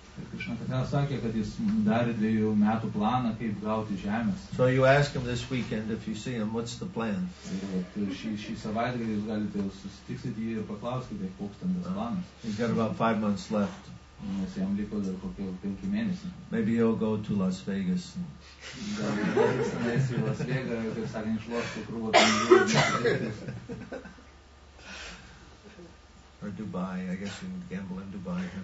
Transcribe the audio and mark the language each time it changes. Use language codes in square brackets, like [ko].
[lt] Krishna sakė, kad jis darė 2 metų planą, kaip gauti žemės. [en] So you ask him this weekend, if you see him, what's the plan? [lt] Šį savaitgalį jūs galite susitiksit jį ir paklauskite, koks ten tas planas. [en] He's got about 5 months left. [lt] Nes jam liko dar kokie 5 mėnesiai. [en] Maybe he'll go to Las Vegas. Or Dubai, I guess you can gamble in Dubai.